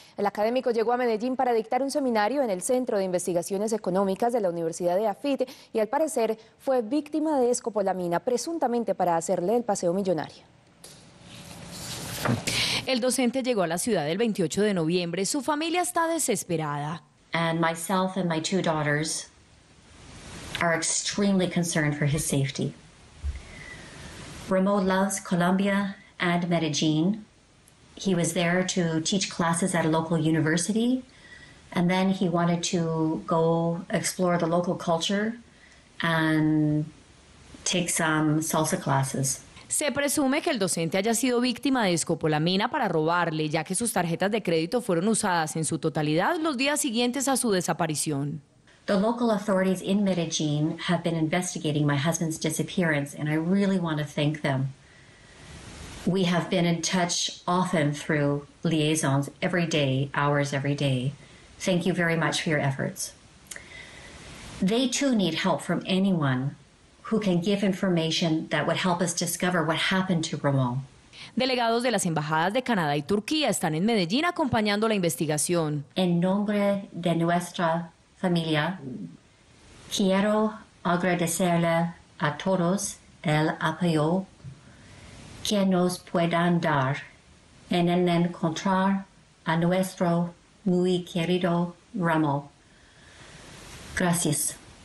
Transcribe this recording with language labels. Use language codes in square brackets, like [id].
[es] El académico llegó a Medellín para dictar un seminario en el Centro de Investigaciones Económicas de la Universidad de AFIT y al parecer fue víctima de escopolamina, presuntamente para hacerle el paseo millonario. El docente llegó a la ciudad el 28 de noviembre. Su familia está desesperada. [en] And myself and my two daughters are extremely concerned for his safety. Ramon loves Colombia and Medellín. He was there to teach classes at a local university, and then he wanted to go explore the local culture and take some salsa classes. [es] Se presume que el docente haya sido víctima de escopolamina para robarle, ya que sus tarjetas de crédito fueron usadas en su totalidad los días siguientes a su desaparición. [en] The local authorities in Medellín have been investigating my husband's disappearance, and I really want to thank them. We have been in touch often through liaisons every day, hours every day. Thank you very much for your efforts. They too need help from anyone who can give information that would help us discover what happened to Ramón. [es] Delegados de las embajadas de Canadá y Turquía están en Medellín acompañando la investigación. En nombre de nuestra familia, quiero agradecerle a todos el apoyo que nos puedan dar en el encontrar a nuestro muy querido Ramón. Gracias.